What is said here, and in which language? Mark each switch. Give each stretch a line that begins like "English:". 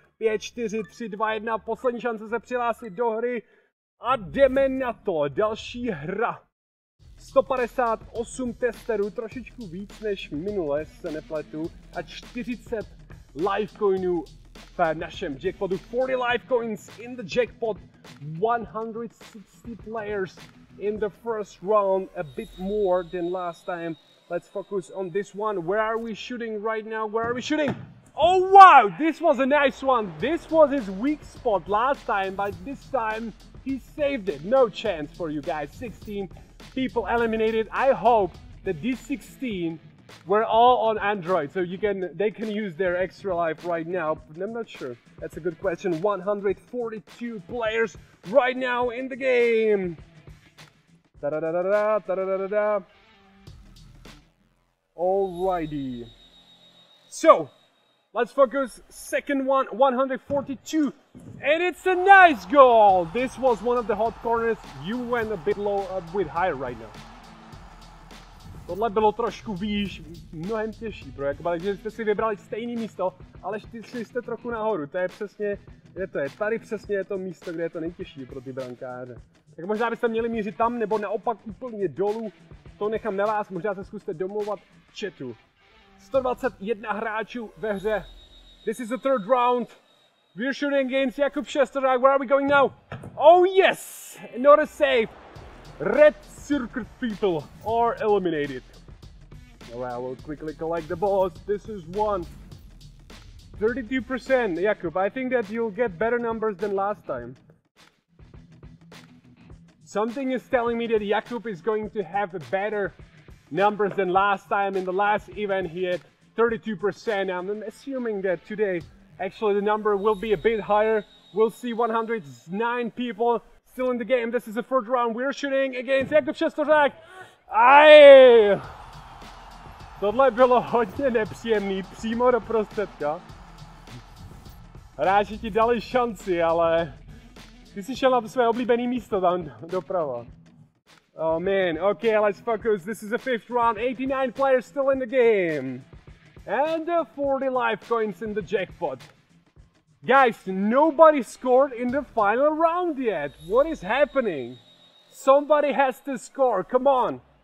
Czech: 5, 4, 3, 2, 1, poslední šance se přihlásit do hry a jdeme na to, další hra. 158 testerů, trošičku víc než minule, se nepletu, a 40 lifecoinů v našem jackpotu.
English: 40 lifecoins in the jackpot, 160 players in the first round, a bit more than last time. Let's focus on this one. Where are we shooting right now? Where are we shooting? Oh wow, this was a nice one. This was his weak spot last time, but this time he saved it. No chance for you guys. 16 people eliminated. I hope that these 16 were all on Android, so they can use their extra life right now. But I'm not sure. That's a good question. 142 players right now in the game. Da-da-da-da-da-da-da-da-da-da. Alrighty. So, let's focus second one, 142, and it's a nice goal. This was one of the hot corners. You went a bit low, a bit higher right now.
Czech: Tohle bylo trošku výš, mnohem těžší pro Jakuba, takže jste si vybrali stejné místo, ale šli jste trochu nahoru. To je přesně, kde to je. Tady přesně je to místo, kde je to nejtěžší pro ty brankáře. Tak možná byste měli mířit tam, nebo naopak úplně dolů. To nechám na vás, možná se zkuste domlouvat chatu.
English: 121
Czech: hráčů ve hře.
English: This is the third round. We're shooting against Jakub Sestorad. Where are we going now? Oh yes! Not a save. Red circuit people are eliminated. Alright, we'll quickly collect the balls. This is one. 32%, Jakub. I think that you'll get better numbers than last time. Something is telling me that Jakub is going to have better numbers than last time. In the last event he had 32%. I'm assuming that today actually the number will be a bit higher. We'll see. 109 people still in the game. This is the first round. We're shooting against Jakub Sestorad. Aye!
Czech: Tohle bylo hodně nepříjemný. Přímo do prostředka. Rád, že ti dali šanci, ale... Ty jsi šel na své oblíbené místo tam doprava.
English: Oh man, okay, let's focus. This is the fifth round. 89 players still in the game. And 40 life coins in the jackpot. Guys, nobody scored in the final round yet. What is happening? Somebody has to score, come on.